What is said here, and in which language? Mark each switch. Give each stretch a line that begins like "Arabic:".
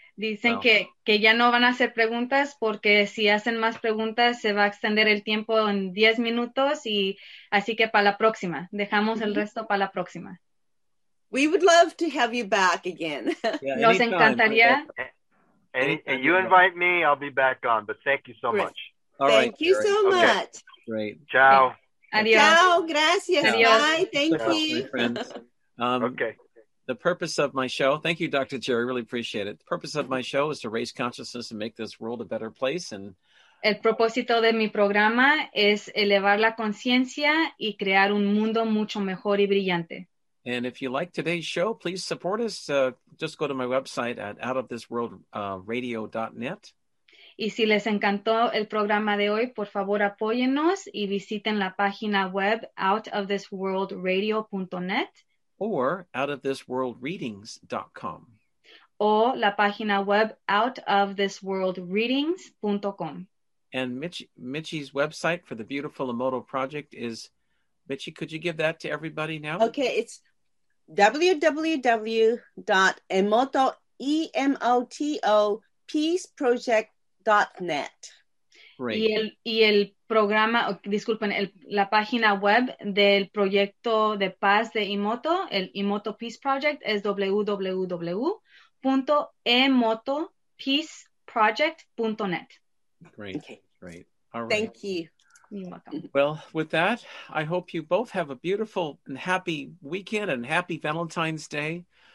Spanish: Dicen que ya no van a hacer preguntas porque si hacen más preguntas se va a extender el tiempo en 10 minutos y así que para la próxima. Dejamos el resto para la próxima.
English: We would love to have you back again.
Spanish: Nos encantaría.
English: And you invite me, I'll be back on, but thank you so much. Thank you so much. Great.
Spanish: Ciao. Adios. Ciao, gracias. Adios.
English: Bye. Thank you. Okay. The purpose of my show, thank you, Dr. Jerry, really appreciate it. The purpose of my show is to raise consciousness and make this world a better place. And
Spanish: el propósito de mi programa es elevar la conciencia y crear un mundo mucho mejor y brillante.
English: And if you like today's show, please support us. Just go to my website at outofthisworldradio.net.
Spanish: Y si les encantó el programa de hoy, por favor, apóyennos y visiten la página web outofthisworldradio.net.
English: Or outofthisworldreadings.com.
Spanish: O la página web outofthisworldreadings.com.
English: And Michi's website for the Beautiful Emoto Project is, Michi, could you give that to everybody now? Okay, it's www.emoto, E-M-O-T-O, peaceproject.net. Great.
Spanish: Y el programa, disculpen, la página web del proyecto de paz de Emoto, el Emoto Peace Project, es www.emotopeaceproject.net.
English: Great. Okay. Great. All right. Thank you. You're welcome. Well, with that, I hope you both have a beautiful and happy weekend and happy Valentine's Day.